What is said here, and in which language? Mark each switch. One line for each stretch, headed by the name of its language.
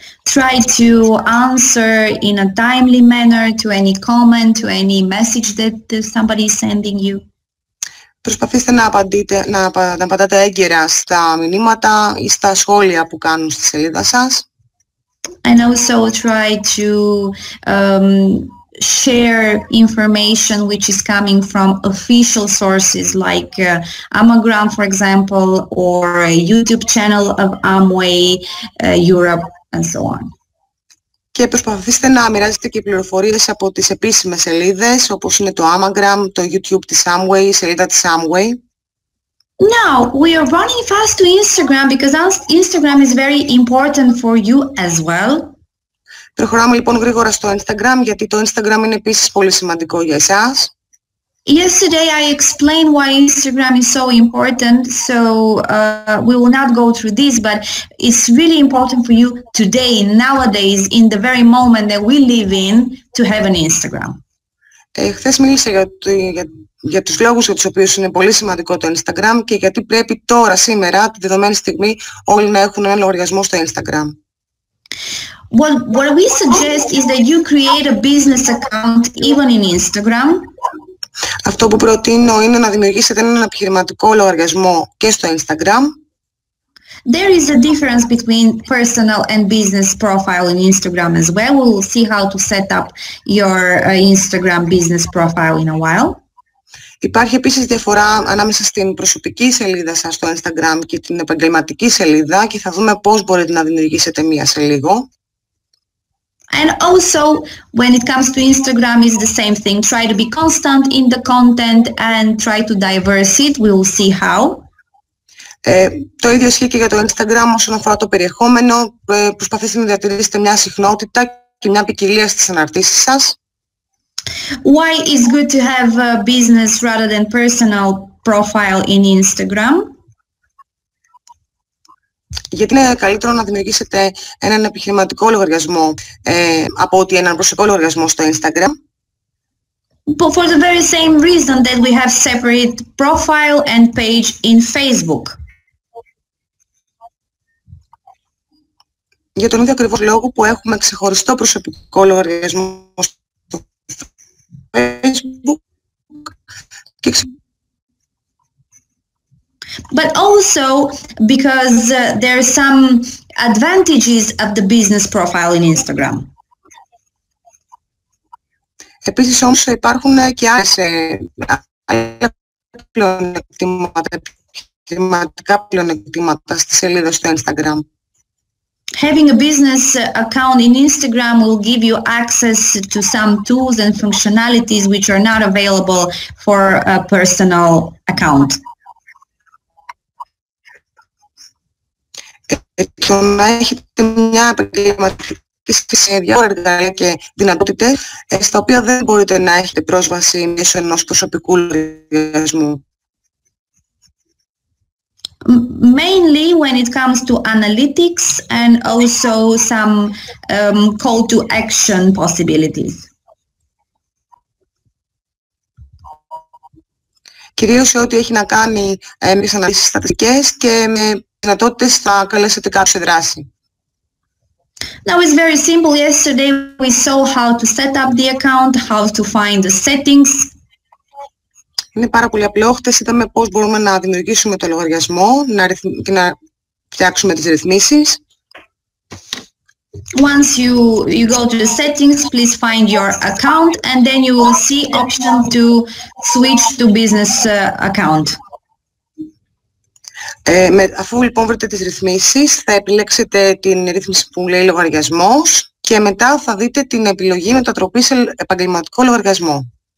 English: Try to answer in a timely manner to any comment, to any message that somebody is sending you.
Greek: Προσπαθήστε να απαντείτε, να απαντάτε έγκαιρα στα μηνύματα ή στα σχόλια που κάνουν στη σελίδα σας.
English: And also try to share information which is coming from official sources like Amagram, for example, or a YouTube channel of Amway Europe and so on.
Greek: Και προσπαθήστε να μοιράζετε και πληροφορίες από τις επίσημες σελίδες, όπως είναι το Amagram, το YouTube της Amway, η σελίδα της Amway.
English: Now, we are running fast to Instagram because Instagram is very important for you as well.
Greek: Προχωράμε λοιπόν γρήγορα στο Instagram, γιατί το Instagram είναι επίσης πολύ σημαντικό για εσάς.
English: Yesterday I explained why Instagram is so important, so we will not go through this, but it's really important for you today, nowadays, in the very moment that we live in, to have an Instagram.
Greek: Χθες μίλησα για τους λόγους για τους οποίους είναι πολύ σημαντικό το Instagram και γιατί πρέπει τώρα, σήμερα, τη δεδομένη στιγμή, όλοι να έχουν ένα λογαριασμό στο Instagram.
English: What we suggest is that you create a business account even in Instagram.
Greek: Αυτό που προτείνω είναι να δημιουργήσετε έναν επιχειρηματικό λογαριασμό και στο Instagram.
English: There is a difference between personal and business profile in Instagram as well. We'll see how to set up your Instagram business profile in a while.
Greek: Υπάρχει επίσης διαφορά ανάμεσα στην προσωπική σελίδα σας στο Instagram και την επαγγελματική σελίδα και θα δούμε πώς μπορείτε να δημιουργήσετε μία σε λίγο.
English: And also, when it comes to Instagram, it's the same thing. Try to be constant in the content and try to diverse it. We will see how.
Greek: Το ίδιο ισχύει και για το Instagram όσον αφορά το περιεχόμενο. Προσπαθήστε να διατηρήσετε μια συχνότητα και μια ποικιλία στις αναρτήσεις σας.
English: Why is good to have a business rather than personal profile in Instagram?
Greek: Γιατί είναι καλύτερο να δημιουργήσετε έναν επιχειρηματικό λογαριασμό από ότι έναν προσωπικό λογαριασμό στο Instagram.
English: But for the very same reason that we have separate profile and page in Facebook.
Greek: Για τον ίδιο ακριβώς λόγο που έχουμε ξεχωριστό προσωπικό λογαριασμό στο Facebook και
English: But also because there are some advantages of the business profile in Instagram.
Greek: Επίσης όμως υπάρχουν και άλλα επιχειρηματικά πλεονεκτήματα στη σελίδα στο Instagram.
English: Having a business account in Instagram will give you access to some tools and functionalities which are not available for a personal account.
Greek: Το να έχετε μια επαγγελματική σχέση με διάφορα εργαλεία και δυνατότητες στα οποία δεν μπορείτε να έχετε πρόσβαση μέσω ενός προσωπικού λογαριασμού.
English: Mainly when it comes to analytics and also some call to action possibilities.
Greek: Κυρίως σε ό,τι έχει να κάνει με τις αναλύσεις στατιστικές και με δυνατότητες θα καλέσετε κάποιους σε δράση.
English: Now it's very simple. Yesterday we saw how to set up the account, how to find the settings.
Greek: Είναι πάρα πολύ απλό. Χθες είδαμε πώς μπορούμε να δημιουργήσουμε το λογαριασμό και να φτιάξουμε τις ρυθμίσεις.
English: Once you go to the settings, please find your account and then you will see option to switch to business account.
Greek: Αφού λοιπόν βρείτε τις ρυθμίσεις, θα επιλέξετε την ρύθμιση που λέει λογαριασμός και μετά θα δείτε την επιλογή μετατροπή σε επαγγελματικό λογαριασμό.